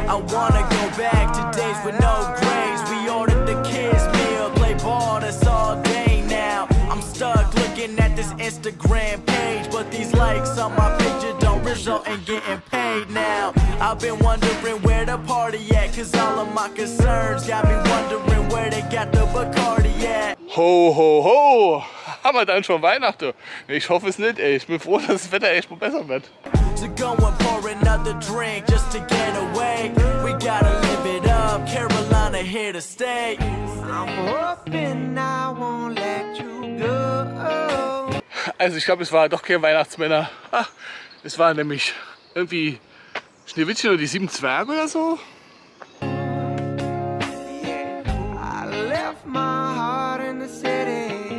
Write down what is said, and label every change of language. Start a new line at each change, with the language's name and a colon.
English: I wanna go back to days with no grades. We ordered the kids meal, play ball, that's all day now. I'm stuck looking at this Instagram page, but these likes on my picture don't result in getting paid now. I've been wondering where the party at, cause all of my concerns got me wondering where they got the Bacardi at. Ho, ho, ho!
German: Haben wir dann schon Weihnachten? Ich hoffe es nicht, ey. Ich bin froh, dass das Wetter echt mal besser wird.
English: To go and pour another drink just to get away. We gotta live it up, Carolina here to stay. I'm hoping I won't let you go.
German: Also ich glaube, es war doch kein Weihnachtsmänner. Ach, es war nämlich irgendwie Schneewittchen und die sieben Zwerge oder so.
English: Yeah, I left my heart in the city.